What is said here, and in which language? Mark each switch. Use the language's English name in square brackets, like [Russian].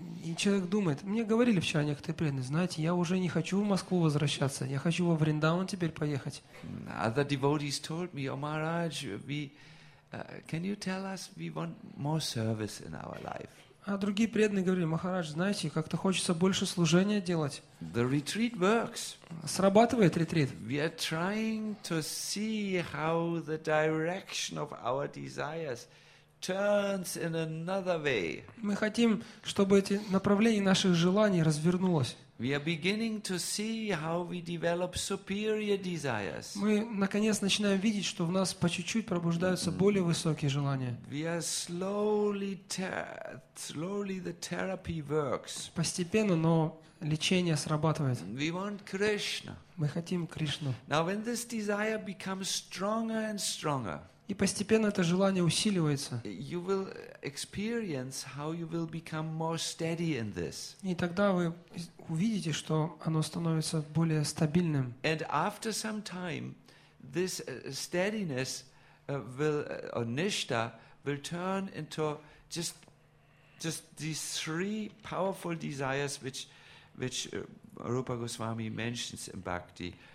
[Russian] И человек думает, мне говорили вчера некоторые преданные, знаете, я уже не хочу в Москву возвращаться, я хочу во Вриндаван теперь поехать. [English] Other devotees told me, oh, Maharaj, can you tell us we want more service in our life? [Russian] А другие преданные говорили, Махарадж, знаете, как-то хочется больше служения делать. [English] The retreat works. [Russian] Срабатывает ретрит. [English] We are trying to see how the direction of our desires turns in another way. [Russian] Мы хотим, чтобы эти направления наших желаний развернулось. [English] We are beginning to see how we develop superior desires. [Russian] Мы наконец начинаем видеть, что в нас по чуть-чуть пробуждаются более высокие желания. [English] We are slowly the therapy works. [Russian] Постепенно, но лечение срабатывает. [English] We want Krishna. [Russian] Мы хотим Кришну. [English] Now when this desire becomes stronger and stronger. [Russian] И постепенно это желание усиливается. [English] You will experience how you will become more steady in this. [Russian] И тогда вы увидите, что оно становится более стабильным. [English] And after some time, this steadiness will, or nishta, will turn into just these three powerful desires which Rupa Goswami mentions in Bhakti.